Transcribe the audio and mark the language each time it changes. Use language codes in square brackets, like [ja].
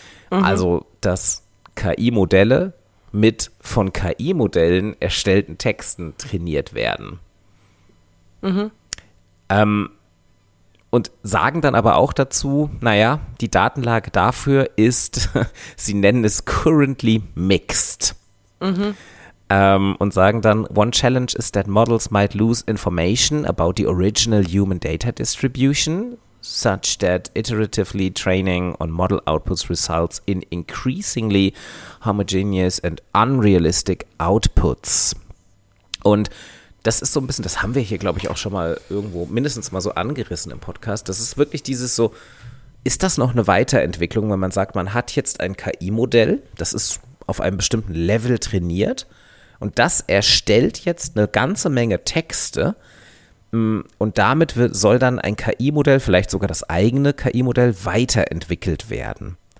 [de] Also dass KI-Modelle mit von KI-Modellen erstellten Texten trainiert werden. Und sagen dann aber auch dazu, naja, die Datenlage dafür ist, sie nennen es [en] currently mixed. [de] Und sagen dann, [en] one challenge is that models might lose information about the original human data distribution, such that iteratively training on model outputs results in increasingly homogeneous and unrealistic outputs. [de] Und das ist so ein bisschen, das haben wir hier, glaube ich, auch schon mal irgendwo mindestens mal so angerissen im Podcast. Das ist wirklich dieses so, ist das noch eine Weiterentwicklung, wenn man sagt, man hat jetzt ein KI-Modell, das ist auf einem bestimmten Level trainiert und das erstellt jetzt eine ganze Menge Texte und damit soll dann ein KI-Modell, vielleicht sogar das eigene KI-Modell, weiterentwickelt werden.